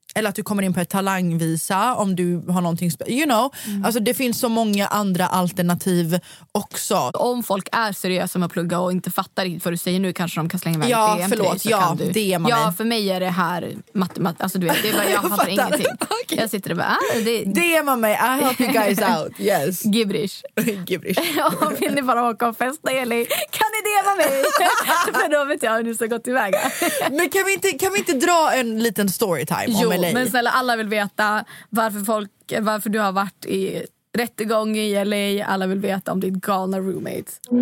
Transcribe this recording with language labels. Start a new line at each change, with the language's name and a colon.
Swedish: eller att du kommer in på ett talangvisa om du har någonting,
English: you know.
Swedish: Alltså det finns så många andra alternativ också. Om folk är seriösa med att plugga och inte fattar riktigt vad du säger nu, kanske de kan slänga iväg
English: DM.
Swedish: Ja, för mig är det här matematik, alltså du vet, det är bara, jag har fattar ingenting.
English: Okay.
Swedish: Jag sitter och bara,
English: DM
Swedish: mig,
English: I help you guys out, yes. Gibrish. Gibrish.
Swedish: Om vill ni bara åka och festa, Eli, kan ni DM mig? För då vet jag hur ni ska gå tillväga. Men kan vi inte dra en liten storytime om LA? Jo, men snälla, alla vill veta varför du har varit i rättegång i LA. Alla vill veta om ditt galna roommate.